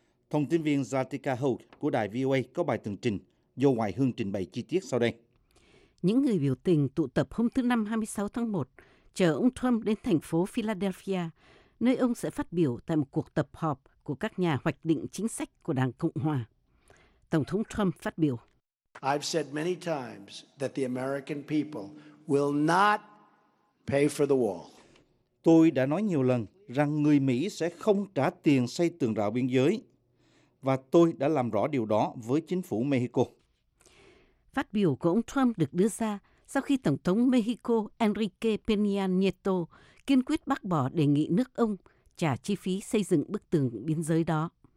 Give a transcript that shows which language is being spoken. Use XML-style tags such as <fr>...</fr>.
<vi>Thông tin viên Zatika Holt của đài VOA có bài tường trình do Hoài Hương trình bày chi tiết sau đây. Những người biểu tình tụ tập hôm thứ Năm 26 tháng 1 chờ ông Trump đến thành phố Philadelphia, nơi ông sẽ phát biểu tại một cuộc tập họp của các nhà hoạch định chính sách của Đảng Cộng Hòa. Tổng thống Trump phát biểu:</vi> <en>I've said many times that the American people will not pay for the wall.</en> <vi>Tôi đã nói nhiều lần rằng người Mỹ sẽ không trả tiền xây tường rào biên giới, và tôi đã làm rõ điều đó với chính phủ Mexico. Phát biểu của ông Trump được đưa ra sau khi Tổng thống Mexico Enrique Peña Nieto kiên quyết bác bỏ đề nghị nước ông trả chi phí xây dựng bức tường biên giới đó.</vi>